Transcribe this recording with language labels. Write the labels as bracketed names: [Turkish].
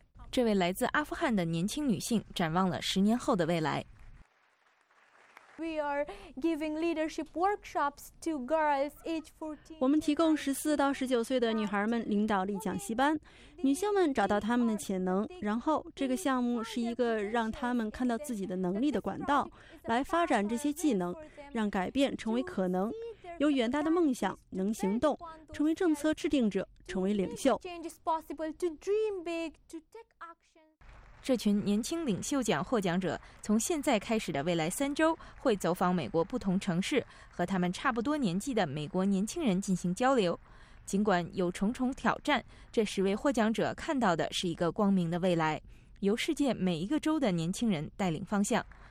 [Chinese] 这位来自阿富汗的年轻女性展望了10年后的未来。 [English] We are giving leadership workshops to girls age 14. [Chinese] 我们提供14到19岁的女孩们领导力讲习班，女性们找到她们的潜能，然后这个项目是一个让她们看到自己的能力的管道，来发展这些技能，让改变成为可能，有远大的梦想，能行动，成为政策制定者，成为领袖。 [English] Change is possible to dream big, to take action. [Chinese] 这群年轻领袖奖获奖者从现在开始的未来3周会走访美国不同城市，和他们差不多年纪的美国年轻人进行交流。尽管有重重挑战，这10位获奖者看到的是一个光明的未来，由世界每一个州的年轻人带领方向。